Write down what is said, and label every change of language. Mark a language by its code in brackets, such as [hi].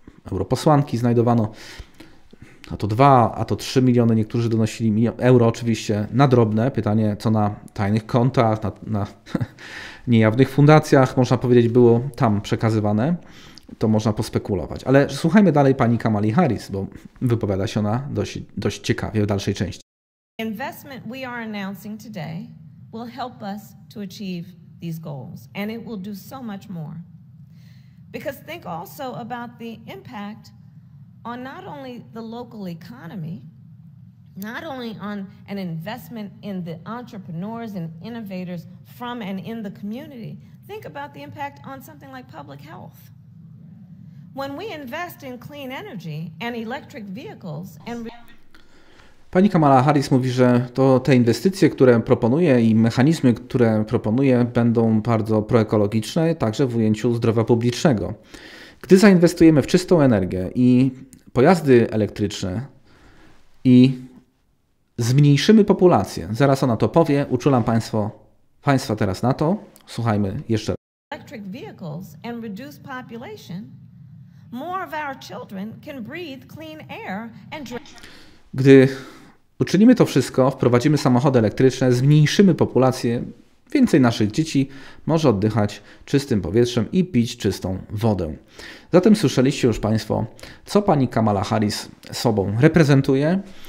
[pl] europosłanki znajdowano, a to 2, a to 3 miliony, niektórzy donosili euro oczywiście, na drobne, pytanie co na tajnych kontach, na niejawnych fundacjach, można powiedzieć, było tam przekazywane, to można pospekulować. Ale słuchajmy dalej pani Kamali Harris, bo wypowiada się ona dość ciekawie w dalszej części. [en] Investment we are announcing today will help us to achieve these goals and it will do so much more. Because think also about the impact on not only the local economy, not only on an investment in the entrepreneurs and innovators from and in the community, think about the impact on something like public health. When we invest in clean energy and electric vehicles and... [pl] Pani Kamala Harris mówi, że to te inwestycje, które proponuje i mechanizmy, które proponuje, będą bardzo proekologiczne, także w ujęciu zdrowia publicznego. Gdy zainwestujemy w czystą energię i pojazdy elektryczne i zmniejszymy populację. Zaraz ona to powie. Uczulam Państwa teraz na to. Słuchajmy jeszcze raz. [en] Electric vehicles and reduce population, more of our children can breathe clean air and drink. [pl] Gdy uczynimy to wszystko, wprowadzimy samochody elektryczne, zmniejszymy populację, więcej naszych dzieci może oddychać czystym powietrzem i pić czystą wodę. Zatem słyszeliście już Państwo, co pani Kamala Harris sobą reprezentuje.